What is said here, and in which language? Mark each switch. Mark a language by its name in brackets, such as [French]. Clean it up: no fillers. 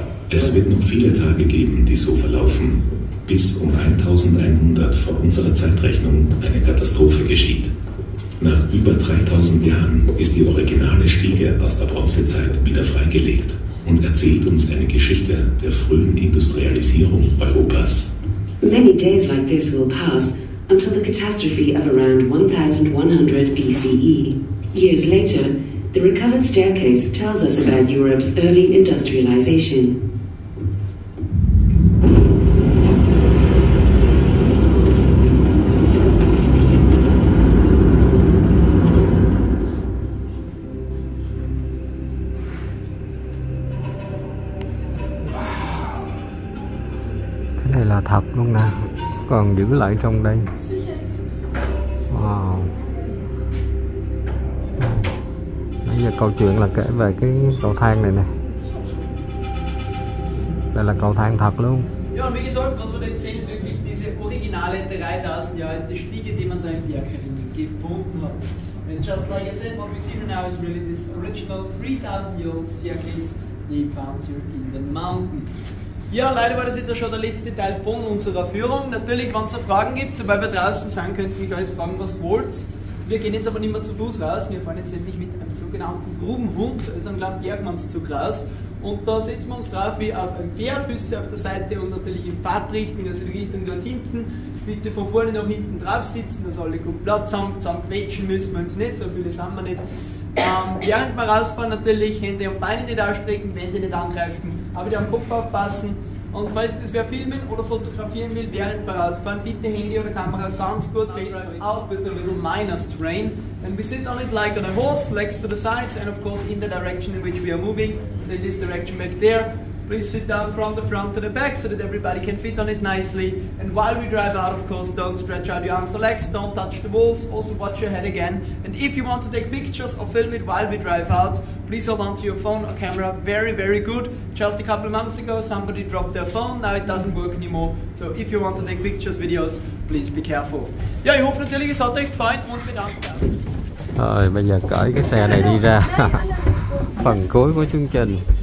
[German] Es wird noch viele Tage geben, die so verlaufen, bis um 1100 vor unserer Zeitrechnung eine Katastrophe geschieht. Nach über 3000 Jahren ist die originale Stiege aus der Bronzezeit wieder freigelegt und erzählt uns eine Geschichte der frühen Industrialisierung Europas. [English] Many days like this will pass until the catastrophe of around 1100 BCE. Years later, the recovered staircase tells us about Europe's early industrialization. [Vietnamese] Thật luôn nè, còn giữ lại trong đây. Wow. Bây giờ câu chuyện là kể về cái cầu thang này nè. Đây là cầu thang thật luôn. [German] Ja, und wie gesagt, was wir da erzählen, ist wirklich diese originale 3000 Jahre alte Stiege, die man da im Berg gefunden hat. [English] And just like I said, what we see now is really this original 3000 year old staircase, die we found here in the mountain. [German] Ja, leider war das jetzt auch schon der letzte Teil von unserer Führung. Natürlich, wenn es da Fragen gibt, sobald wir draußen sind, könnt ihr mich alles fragen, was wollt. Wir gehen jetzt aber nicht mehr zu Fuß raus. Wir fahren jetzt endlich mit einem sogenannten Grubenhund, also einem kleinen Bergmannszug raus. Und da setzen wir uns drauf wie auf ein Pferd, Füße auf der Seite und natürlich in Fahrtrichtung, also die Richtung dort hinten. Bitte von vorne nach hinten drauf sitzen, dass alle gut Platz haben. Zusammen quetschen müssen wir uns nicht, so viele sind wir nicht. Während wir rausfahren natürlich Hände und Beine nicht ausstrecken, Wände nicht angreifen, aber die am Kopf aufpassen. Und falls das wer filmen oder fotografieren will, während wir rausfahren, bitte Handy oder Kamera ganz gut festhalten. [English] Out with a little miner's train. And we sit on it like on a horse, legs to the sides and of course in the direction in which we are moving. So in this direction back there. Please sit down from the front to the back so that everybody can fit on it nicely. And while we drive out, of course, don't stretch out your arms or legs. Don't touch the walls. Also watch your head again. And if you want to take pictures or film it while we drive out, please hold on to your phone or camera. Very, very good. Just a couple of months ago, somebody dropped their phone. Now it doesn't work anymore. So if you want to take pictures, videos, please be careful. [German] Ja, ich hoffe natürlich, es hat euch gefallen und wir danken. [Vietnamese] Rồi, bây giờ cởi cái xe này đi ra. Phần cuối của chương trình.